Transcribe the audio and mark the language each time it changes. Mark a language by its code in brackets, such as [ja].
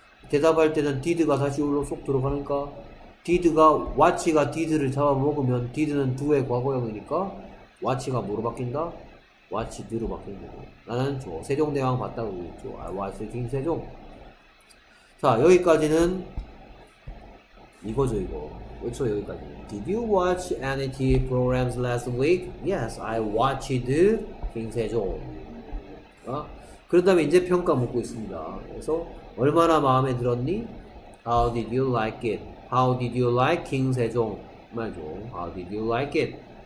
[ko] 대답할 때는 did가 다시 올로 쏙 들어가니까 did가 watch가 did를 잡아먹으면 did는 do의 과거형이니까 watch가 뭐로 바뀐다? watch do로 바뀐 거고 나는 저 세종대왕 봤다고 했죠. [en] I watched King 세종. [ko] 자 여기까지는 이거죠 이거. 그렇죠 여기까지. [en] Did you watch any TV programs last week? Yes, I watched King 세종. 아? [ko] 그런 다음에 이제 평가 묻고 있습니다. 그래서 얼마나 마음에 들었니? [en] How did you like it? How did you like King Sejong? [ko] 말죠. [en] How did you like it?